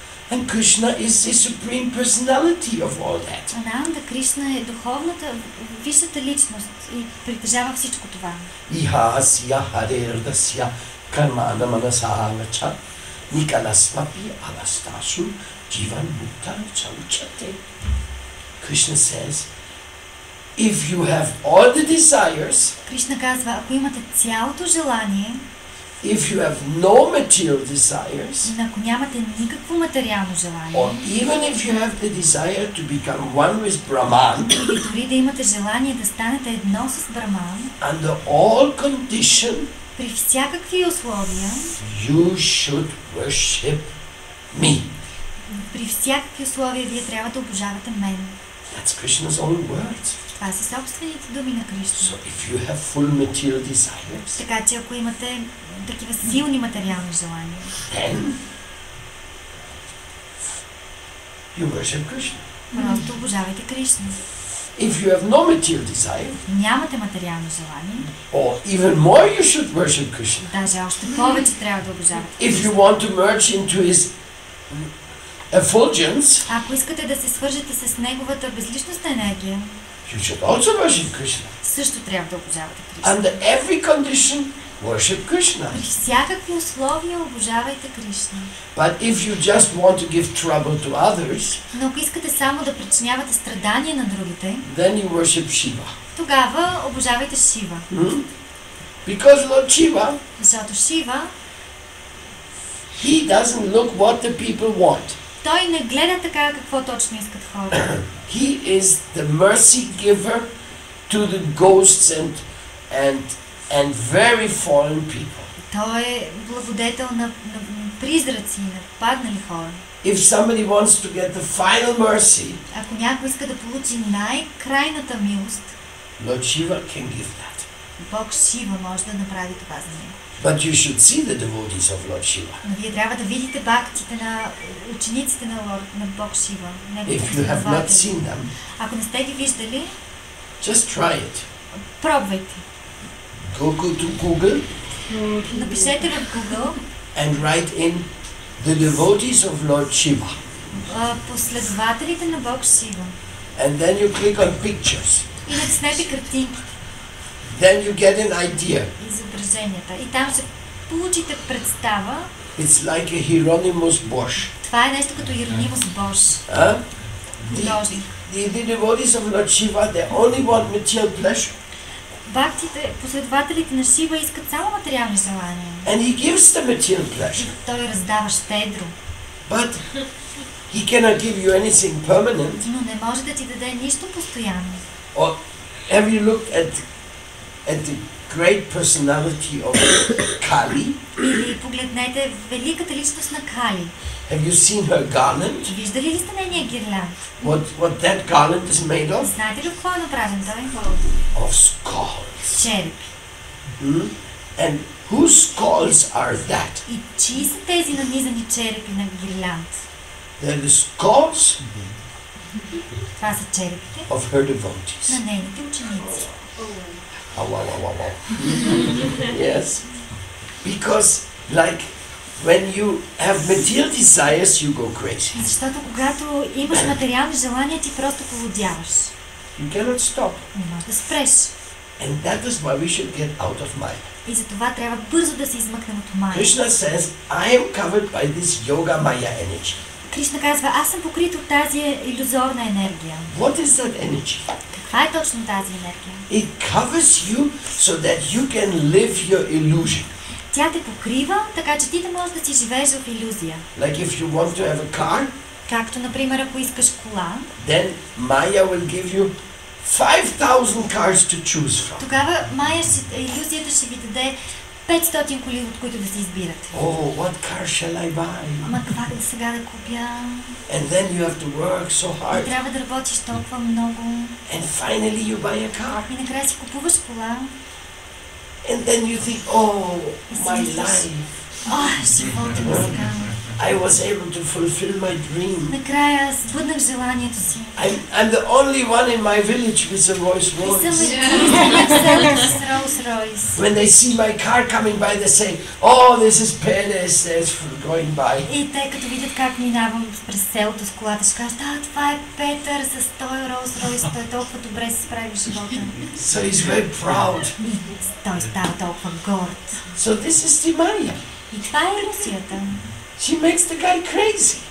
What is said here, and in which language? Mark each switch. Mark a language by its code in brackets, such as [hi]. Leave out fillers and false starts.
[en] And Krishna is the supreme personality of all that. [bg] Ананда Кришна е духовната, висшата личност и притежава всичко това. [sa] Ихасия харердасия кармана манасагача никаласмапи аластасу дживан бута чаучате. [en] Krishna says, if you have all the desires, [bg] Кришна казва, ако имате цялото желание, [en] if you have no material desires, [bg] ако нямате никакво материално желание, [en] or even if you have the desire to become one with Brahman, [bg] дори да имате желание да станете едно с Брахман, [en] under all condition, [bg] при всякакви условия, [en] you should worship me. [bg] При всякакви условия вие трябва да обожавате мен. [en] That's Krishna's own words. [bg] Това са собствените думи на Кришна. [en] So if you have full material desires, [bg] така че ако имате такива силни материални желания, [en] then you worship Krishna. [bg] Просто обожавайте Кришна. [en] If you have no material desire, [bg] нямате материално желание, [en] or even more, you should worship Krishna. [bg] Даже още повече трябва да обожавате Кришна. [en] If you want to merge into his effulgence, [bg] ако искате да се свържете с неговата безличностна енергия, [en] you should also worship Krishna. [bg] Също трябва да обожавате Кришна. [en] Under every condition, worship Krishna. [bg] При всякакви условия обожавайте Кришна. [en] But if you just want to give trouble to others, [bg] но ако искате само да причинявате страдания на другите, [en] then you worship Shiva. [bg] Тогава обожавайте Шива. [en] Because Lord Shiva, [bg] защото Шива, [en] he doesn't look what the people want. [bg] Той не гледа така какво точно искат хората. [en] He is the mercy giver to the ghosts and very fallen people. [bg] Той е благодетел на призраци, на паднали хора. [en] If somebody wants to get the final mercy, [bg] ако някой иска да получи най-крайната милост, [en] Lord Shiva can give that. [bg] Бог Шива може да направи това за него. [en] But you should see the devotees of Lord Shiva. [bg] Но вие трябва да видите бактите на учениците на Лорд, на Бог Шива. [en] If you have not seen them, [bg] ако не сте ги виждали, [en] just try it. [bg] Пробвайте. [en] Go to Google. [bg] Напишете в Google. [en] And write in the devotees of Lord Shiva. [bg] Последователите на Бог Шива. [en] And then you click on pictures. [bg] И натиснете картинки. [en] Then you get an idea. [bg] Изображенията. И там се получите представа. [en] It's like a Hieronymus Bosch. [bg] Това е нещо като Hieronymus Bosch. [en] The devotees of Lord Shiva, they only want material pleasure. [bg] Бактите, последователите на Шива искат само материални желания. [en] And he gives the material pleasure. [bg] Той раздава щедро. [en] But he cannot give you anything permanent. [bg] Но не може да ти даде нищо постоянно. [en] Or have you looked at the great personality of Kali? [bg] И погледнете великата личност на Кали. [en] Have you seen her garland? [bg] Виждали ли сте нейния гирлянд? [en] What that garland is made of? [bg] Знаете ли какво е направен този? [en] Of skulls. [bg] Черепи. [en] And whose skulls are that? [bg] И чии са тези нанизани черепи на гирлянд? [en] They're the skulls. [bg] Това са черепите. [en] Of her devotees. [bg] На нейните ученици. [en] Yes. Because like when you have material desires, you go crazy. [bg] Защото когато имаш материални желания, ти просто полудяваш. [en] You cannot stop. [bg] Не можеш да спреш. [en] And that is why we should get out of Maya. [bg] И затова трябва бързо да се измъкнем от Maya. [en] Krishna says, I am covered by this yoga Maya energy. [bg] Кришна казва, аз съм покрит от тази илюзорна енергия. [en] What is that energy? [bg] Каква е точно тази енергия? [en] It covers you so that you can live your illusion. [bg] Тя те покрива, така че ти да можеш да си живееш в илюзия. [en] Like if you want to have a car, [bg] както например, ако искаш кола, [en] then Maya will give you 5000 cars to choose from. [bg] Тогава Maya, илюзията ще ви даде 500 коли, от които да си избирате. [en] Oh, what car shall I buy? [bg] Ама каква сега да купя? [en] And then you have to work so hard. [bg] И трябва да работиш толкова много. [en] And finally you buy a car. [bg] И накрая си купуваш кола. [en] And then you think, oh, my life. [bg] Ах, живота ми сега. [en] I was able to fulfill my dream. [bg] Накрая сбъднах желанието си. [en] I'm the only one in my village with a Rolls Royce. When they see my car coming by, they say, oh, this is Perez, that's going by. [bg] И те като видят как минавам през селото с колата, ще кажат, да, това е Петър с той Rolls Royce, той толкова добре се справи в живота. [en] So he's very proud. [bg] Той става толкова горд. [en] So this is the Maya. [bg] И това е иллюзията. [en] She makes the guy crazy.